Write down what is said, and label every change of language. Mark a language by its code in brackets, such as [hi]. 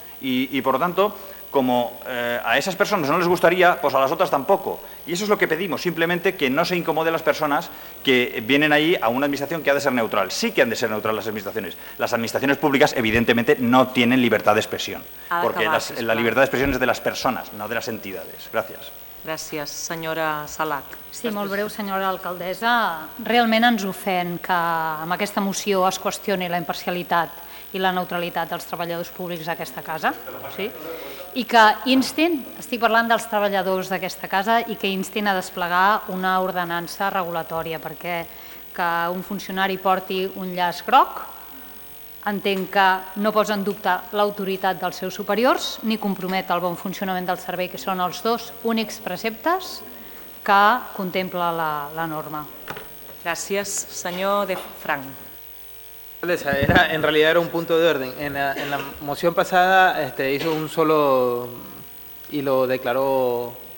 [es] Y por lo tanto, como a esas personas no les gustaría, pues a las otras tampoco. Y eso es lo que pedimos, simplemente que no se incomode a las personas que vienen ahí a una administración que ha de ser neutral. Sí que han de ser neutrales las administraciones. Las administraciones públicas, evidentemente, no tienen libertad de expresión. Porque la libertad de expresión es de las personas, no de las entidades. Gracias. [ca] Gràcies, senyora Salat. Sí, molt breu, senyora alcaldessa. Realment ens ofèn que amb aquesta moció es qüestioni la imparcialitat i la neutralitat dels treballadors públics d'aquesta casa, sí? I que instin, estic parlant dels treballadors d'aquesta casa, i que instin a desplegar una ordenança regulatòria, perquè que un funcionari porti un llaç groc, entenc que no posa en dubte l'autoritat dels seus superiors ni compromet el bon funcionament del servei, que són els dos únics preceptes que contempla la norma. Gràcies, senyor De Frank. [es] En realidad era un punto de orden. En la moción pasada hizo un solo y lo declaró.